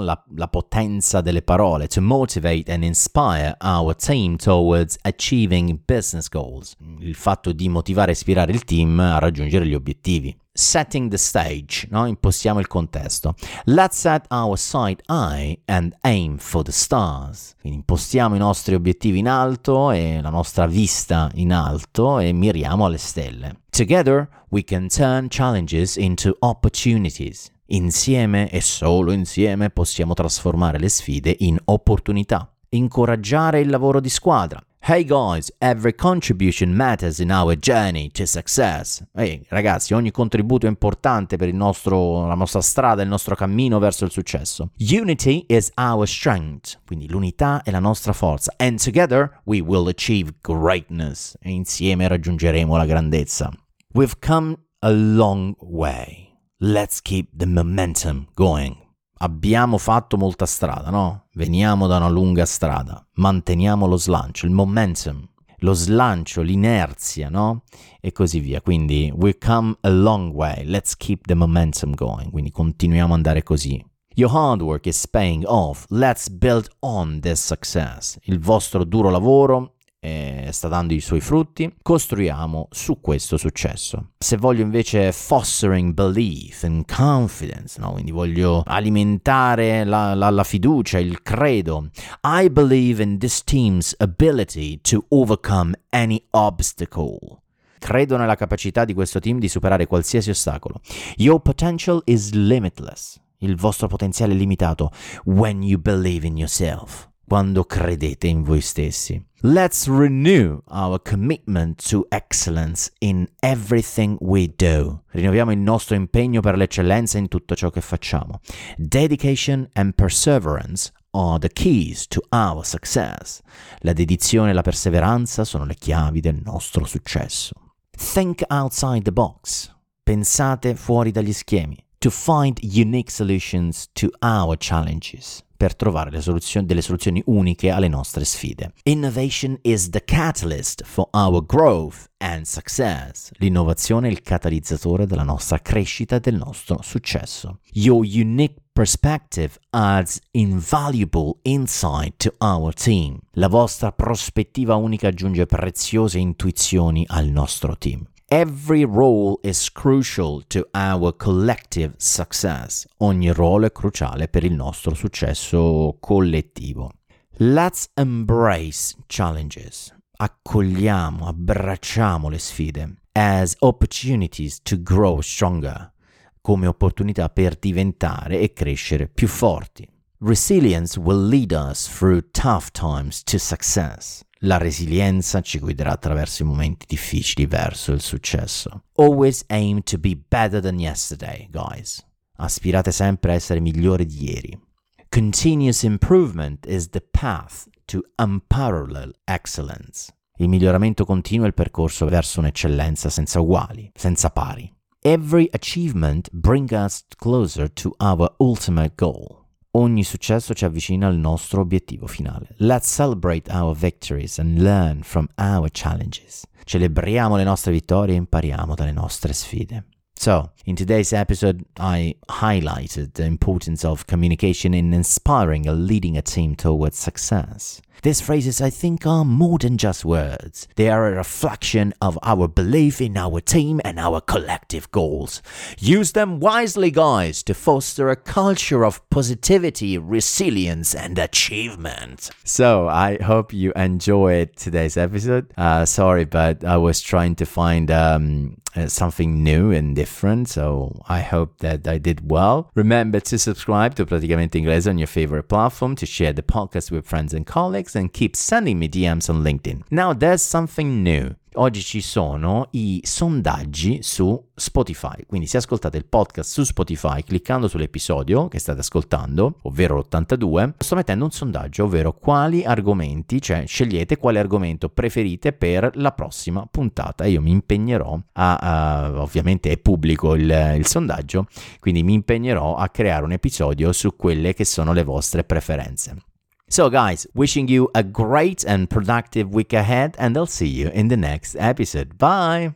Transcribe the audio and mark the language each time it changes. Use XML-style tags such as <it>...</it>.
<it>La potenza delle parole</it> <en>to motivate and inspire our team towards achieving business goals.</en> <it>Il fatto di motivare e ispirare il team a raggiungere gli obiettivi.</it> <en>Setting the stage, no?</en> <it>Impostiamo il contesto.</it> <en>Let's set our sight high and aim for the stars.</en> <it>Quindi impostiamo i nostri obiettivi in alto e la nostra vista in alto e miriamo alle stelle.</it> <en>Together we can turn challenges into opportunities.</en> <it>Insieme e solo insieme possiamo trasformare le sfide in opportunità. Incoraggiare il lavoro di squadra.</it> <en>Hey guys, every contribution matters in our journey to success.</en> <it>Hey, ragazzi, ogni contributo è importante per la nostra strada, il nostro cammino verso il successo.</it> <en>Unity is our strength.</en> <it>Quindi l'unità è la nostra forza.</it> <en>And together we will achieve greatness.</en> <it>E insieme raggiungeremo la grandezza.</it> <en>We've come a long way. Let's keep the momentum going.</en> <it>Abbiamo fatto molta strada, no? Veniamo da una lunga strada. Manteniamo lo slancio, il momentum, lo slancio, l'inerzia, no? E così via.</it> <en>Quindi, we come a long way. Let's keep the momentum going.</en> <it>Quindi, continuiamo ad andare così.</it> <en>Your hard work is paying off. Let's build on this success.</en> <it>Il vostro duro lavoro sta dando i suoi frutti, costruiamo su questo successo. Se voglio invece</it> <en>fostering belief and confidence,</en> <it>no? Quindi voglio alimentare la fiducia, il credo.</it> <en>I believe in this team's ability to overcome any obstacle.</en> <it>Credo nella capacità di questo team di superare qualsiasi ostacolo.</it> <en>Your potential is limitless.</en> <it>Il vostro potenziale è limitato.</it> <en>When you believe in yourself.</en> <it>Quando credete in voi stessi.</it> <en>Let's renew our commitment to excellence in everything we do.</en> <it>Rinnoviamo il nostro impegno per l'eccellenza in tutto ciò che facciamo.</it> <en>Dedication and perseverance are the keys to our success.</en> <it>La dedizione e la perseveranza sono le chiavi del nostro successo.</it> <en>Think outside the box.</en> <it>Pensate fuori dagli schemi.</it> <en>To find unique solutions to our challenges.</en> <it>Per trovare delle soluzioni uniche alle nostre sfide.</it> <en>Innovation is the catalyst for our growth and success.</en> <it>L'innovazione è il catalizzatore della nostra crescita e del nostro successo.</it> <en>Your unique perspective adds invaluable insight to our team.</en> <it>La vostra prospettiva unica aggiunge preziose intuizioni al nostro team.</it> <en>Every role is crucial to our collective success.</en> <it>Ogni ruolo è cruciale per il nostro successo collettivo.</it> <en>Let's embrace challenges.</en> <it>accogliamo, abbracciamo le sfide</it> <en>as opportunities to grow stronger,</en> <it>come opportunità per diventare e crescere più forti.</it> <en>Resilience will lead us through tough times to success.</en> <it>La resilienza ci guiderà attraverso i momenti difficili verso il successo.</it> <en>Always aim to be better than yesterday, guys.</en> <it>Aspirate sempre a essere migliori di ieri.</it> <en>Continuous improvement is the path to unparalleled excellence.</en> <it>Il miglioramento continuo è il percorso verso un'eccellenza senza uguali, senza pari.</it> <en>Every achievement brings us closer to our ultimate goal.</en> <it>Ogni successo ci avvicina al nostro obiettivo finale.</it> <en>Let's celebrate our victories and learn from our challenges.</en> <it>Celebriamo le nostre vittorie e impariamo dalle nostre sfide.</it> <en>So, in today's episode, I highlighted the importance of communication in inspiring and leading a team towards success. These phrases, I think, are more than just words. They are a reflection of our belief in our team and our collective goals. Use them wisely, guys, to foster a culture of positivity, resilience, and achievement. So, I hope you enjoyed today's episode. Sorry, but I was trying to find something new and different, so I hope that I did well. Remember to subscribe to Praticamente Inglese on your favorite platform, to share the podcast with friends and colleagues, and keep sending me DMs on LinkedIn. Now, there's something new.</en> <it>Oggi ci sono i sondaggi su Spotify, quindi se ascoltate il podcast su Spotify cliccando sull'episodio che state ascoltando, ovvero l'82, sto mettendo un sondaggio, ovvero quali argomenti, cioè scegliete quale argomento preferite per la prossima puntata. Io mi impegnerò ovviamente è pubblico il sondaggio, quindi mi impegnerò a creare un episodio su quelle che sono le vostre preferenze.</it> <en>So guys, wishing you a great and productive week ahead, and I'll see you in the next episode. Bye!</en>